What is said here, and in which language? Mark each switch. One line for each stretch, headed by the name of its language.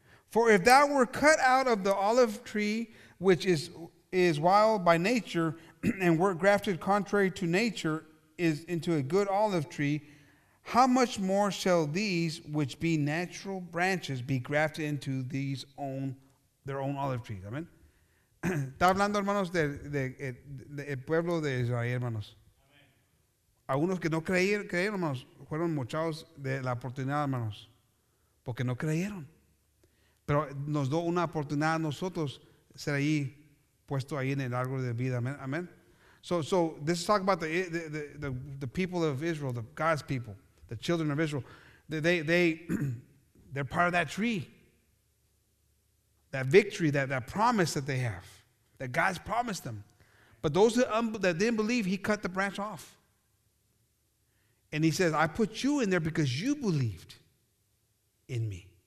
English: For if thou were cut out of the olive tree, which is wild by nature, and were grafted contrary to nature, is into a good olive tree, How much more shall these, which be natural branches, be grafted into these own, their own olive trees? Amen.
Spanish: Está hablando, hermanos, del pueblo de Israel, hermanos. Algunos que no creyeron, hermanos, fueron mochados de la oportunidad, hermanos, porque no creyeron. Pero nos dio una oportunidad a nosotros ser ahí, puesto ahí en el árbol de vida. Amen. Amen.
English: So this is talking about the people of Israel, the God's people, the children of Israel. They're part of that tree. That victory, that promise that they have, that God's promised them. But those that didn't believe, he cut the branch off. And he says, I put you in there because you believed in me.